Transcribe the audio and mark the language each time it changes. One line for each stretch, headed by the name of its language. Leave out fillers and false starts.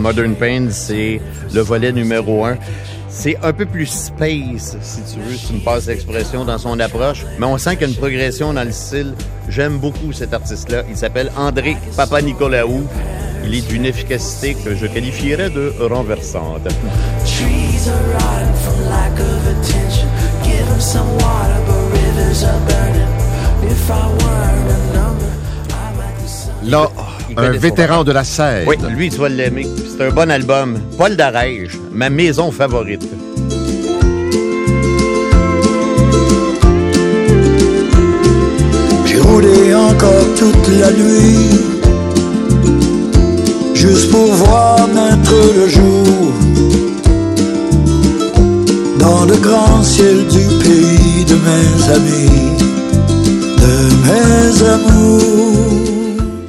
French: Modern Pain, c'est le volet numéro 1. C'est un peu plus space, si tu veux, si tu me passes l'expression, dans son approche. Mais on sent qu'il y a une progression dans le style. J'aime beaucoup cet artiste-là. Il s'appelle André Papanikolaou. Il est d'une efficacité que je qualifierais de renversante.
English: Trees are rotting from lack of attention. Give them some water, but rivers are burning. If I were a number.
French: Là, un vétéran de la scène. Oui, lui, tu vas l'aimer. C'est un bon album. Paul Darège, ma maison favorite. J'ai roulé encore toute la nuit juste pour voir naître le jour dans le grand ciel du pays de mes amis, de mes amours.